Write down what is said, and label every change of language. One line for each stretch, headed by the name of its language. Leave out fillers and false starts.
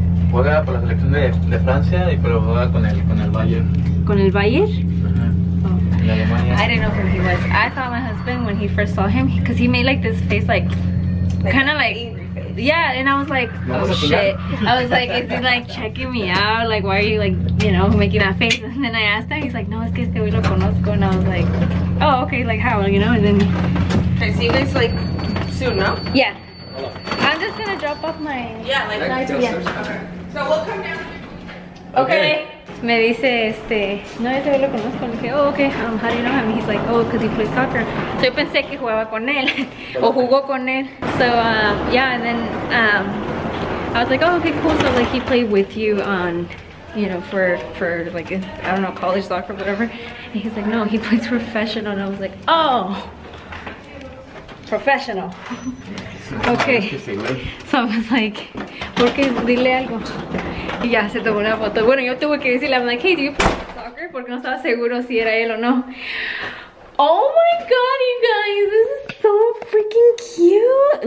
Spanish: Juega para la selección de Francia, y pero juega con el Bayern. ¿Con el Bayern? Uh-huh.
English: Oh. I didn't know who he was. I thought my husband, when he first saw him, because he made like this face, like kind of like, yeah, and I was like, oh shit. I was like, is he like checking me out? Like, why are you like, you know, making that face? And then I asked him, he's like,
Spanish: no, es que este güey lo conozco.
English: And I was like, oh, okay, like how, you know? And then. Okay, see you guys like soon, no? Yeah. Hello. I'm just gonna drop off my. Yeah, like yeah. Okay. So we'll come down. Okay.
Spanish: Me dice este, no, ese güey lo conozco. Le dije,
English: oh, okay, how do you know him? He's like, oh, because he plays soccer.
Spanish: So yo pensé que jugaba con él, o jugó con él.
English: So, yeah, and then I was like, oh, okay, cool. So, like, he played with you on, you know, for like, I don't know, college soccer, whatever. And he's like, no, he plays professional. And I was like, oh, professional. Okay. So I was like,
Spanish: ¿por qué? Dile algo. Y ya se tomó una foto. Bueno, yo tuve que decirle,
English: I'm like, hey, do you play soccer?
Spanish: Porque no estaba seguro si era él o no.
English: Oh my god, you guys, this is so freaking cute.